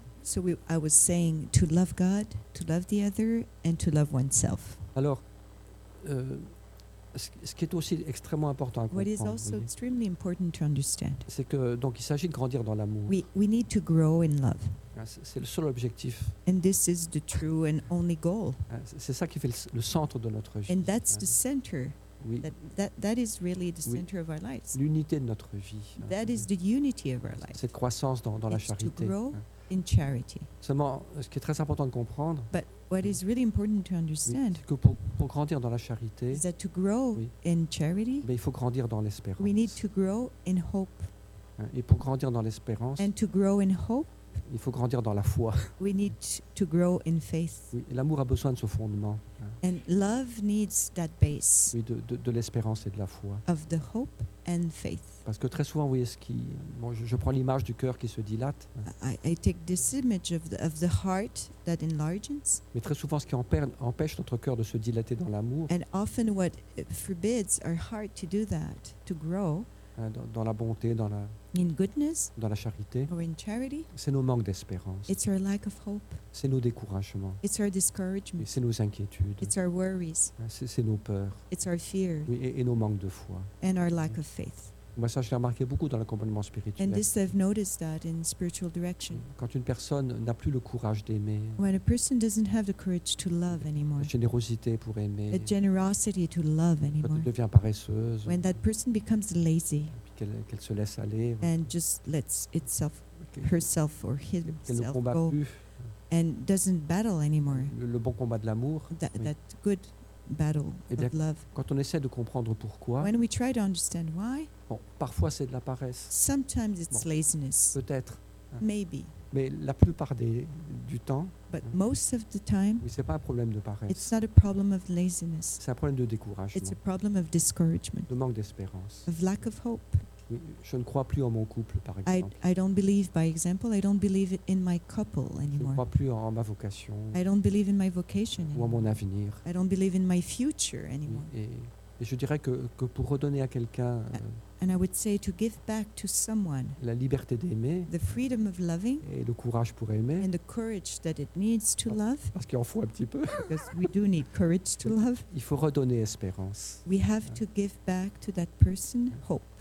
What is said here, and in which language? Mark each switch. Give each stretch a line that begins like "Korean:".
English: So we, I was saying to love God, to love the other, and to love oneself.
French: Alors, ce qui est aussi extrêmement important à comprendre.
English: What is also extremely important to understand.
French: C'est que donc il s'agit de grandir dans l'amour.
English: We need to grow in love.
French: C'est le seul objectif.
English: And this is the true and only goal.
French: C'est ça qui fait le centre de notre vie.
English: And that's the center. Oui. That is really the center of our lives.
French: L'unité de notre vie.
English: That is the unity of our life.
French: Cette croissance dans la charité.
English: To grow in charity.
French: Seulement, ce qui est très important de comprendre.
English: But what is really important to understand.
French: Oui, c'est que pour grandir dans la charité.
English: Is that to grow in charity.
French: Mais il faut grandir dans l'espérance.
English: We need to grow in hope.
French: Et pour grandir dans l'espérance.
English: And to grow in hope.
French: Il faut grandir dans la foi.
English: We need to grow in faith.
French: Oui, l'amour a besoin de ce fondement.
English: And love needs that base.
French: Oui, de l'espérance et de la foi.
English: Of the hope and faith.
French: Parce que très souvent, vous voyez ce qui. Bon, je prends l'image du cœur qui se dilate.
English: I take this image of the heart that enlarges.
French: Mais très souvent, ce qui empêche notre cœur de se dilater dans l'amour.
English: And often, what forbids our heart to do that, to grow.
French: Dans la bonté, dans la.
English: In goodness,
French: dans la charité,
English: or in charity,
French: c'est nos manques d'espérance.
English: It's our lack of hope.
French: C'est nos découragements.
English: It's our discouragement.
French: Et c'est nos inquiétudes.
English: It's our worries.
French: C'est nos peurs.
English: It's our fear.
French: Oui, et nos manques de foi.
English: And our lack of faith.
French: Moi, ça, je l'ai remarqué beaucoup dans l'accompagnement spirituel.
English: And this, I've noticed that in spiritual direction.
French: Quand une personne n'a plus le courage d'aimer.
English: When a person doesn't have the courage to love anymore.
French: La générosité pour aimer.
English: A generosity to love anymore.
French: Quand elle devient paresseuse.
English: When that person becomes lazy.
French: Qu'elle se laisse aller.
English: And just lets itself, herself or himself go.
French: Qu'elle ne combat plus.
English: And doesn't battle anymore.
French: Le bon combat de l'amour.
English: That good battle
French: eh bien,
English: of love.
French: Quand on essaie de comprendre pourquoi.
English: When we try to understand why.
French: Bon, parfois c'est de la paresse.
English: Sometimes it's laziness.
French: Peut-être.
English: Maybe.
French: Mais la plupart du temps.
English: But most of the time.
French: Oui, c'est pas un problème de paresse.
English: It's not a problem of laziness.
French: C'est un problème de découragement.
English: It's a problem of discouragement.
French: De manque d'espérance.
English: Of lack of hope.
French: Oui, je ne crois plus en mon couple, par exemple.
English: I don't believe, by example, I don't believe in my couple anymore.
French: Je ne crois plus en ma vocation.
English: I don't believe in my vocation anymore.
French: Ou en mon avenir.
English: I don't believe in my future anymore.
French: Oui, et je dirais que pour redonner à quelqu'un.
English: And I would say to give back to someone
French: la liberté d'aimer,
English: the freedom of loving
French: et le courage pour aimer,
English: and the courage that it needs to love
French: parce qu'il en faut un petit peu.
English: Because we do need courage to love.
French: Il faut redonner espérance.
English: We have to give back to that person hope.